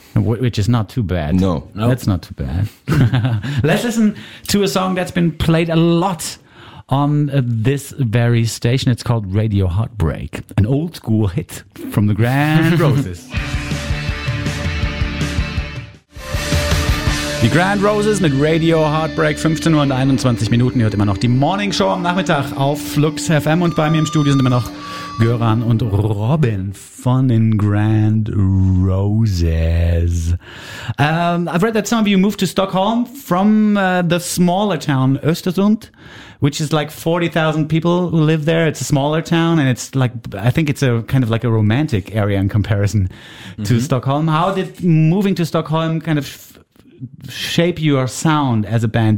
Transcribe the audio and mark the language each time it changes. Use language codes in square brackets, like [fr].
[en] Which is not too bad. No. Nope. That's not too bad. Let's listen to a song that's been played a lot on this very station. It's called Radio Heartbreak, an old school hit from the Grand Roses. [de] Die Grand Roses mit Radio Heartbreak, 15 Uhr und 21 Minuten. Ihr hört immer noch die Morning Show am Nachmittag auf Flux FM. Und bei mir im Studio sind immer noch Göran und Robin von den Grand Roses. [en] I've read that some of you moved to Stockholm from the smaller town Östersund, which is like 40,000 people who live there. It's a smaller town, and it's like, I think it's a kind of like a romantic area in comparison to Stockholm. How did moving to Stockholm kind of shape your sound as a band?